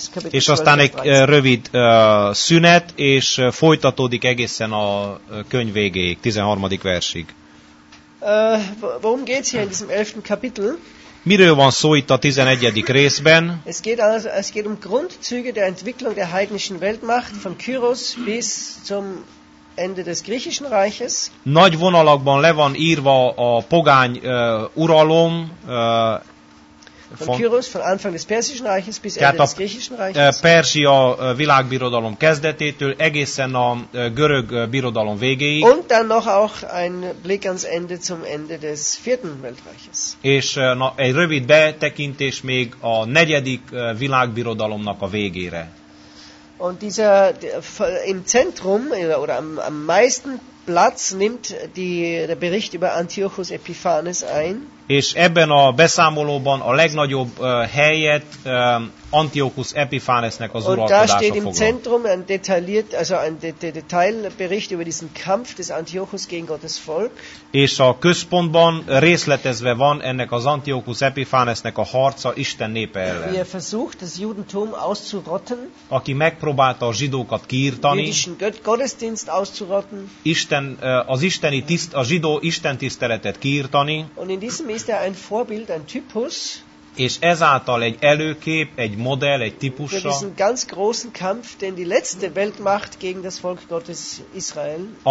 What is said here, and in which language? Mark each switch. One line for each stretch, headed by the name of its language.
Hungarian: És aztán egy rövid szünet, és folytatódik egészen a könyv végéig, 13. versig.
German: Worum geht's hier in diesem 11. Kapitel?
Hungarian: Miről van szó itt a 11. részben?
German: Es geht um Grundzüge der Entwicklung der heidnischen Weltmacht von Kyros bis zum Ende des griechischen Reiches.
Hungarian: Nagy vonalakban le van írva a pogány uralom.
German: Von Kyros, von Anfang des persischen Reiches bis Ende des griechischen Reiches.
Hungarian: Perzsia világbirodalom kezdetétől egészen a görög birodalom végéig.
German: Und dann noch auch ein Blick ans Ende zum Ende des vierten Weltreiches.
Hungarian: És egy rövid betekintés még a negyedik világbirodalomnak a végére.
German: Und dieser im Zentrum oder am meisten Platz nimmt der Bericht über Antiochus Epiphanes ein.
Hungarian: És ebben a beszámolóban a legnagyobb helyet Antiochus Epiphanesnek az uralkodása foglalja.
German: Und da steht im Zentrum ein detailliert, also ein Detailbericht über diesen Kampf des Antiochus gegen Gottes Volk.
Hungarian: És a központban részletezve van ennek az Antiochus Epiphanesnek a harca Isten népe ellen.
German: Wie er versucht, das Judentum auszurotten.
Hungarian: Aki megpróbálta a zsidókat kiirtani.
German: Jüdischen Gottesdienst auszurotten.
Hungarian: Isten, az isteni tiszt, a zsidó istentiszteletet kiirtani.
German: Und in diesem ist er ein Vorbild, ein Typus.
Hungarian: És ezáltal egy előkép, egy modell, egy típusra.
German: Für diesen ganz großen Kampf, den die letzte Weltmacht gegen das Volk Gottes Israel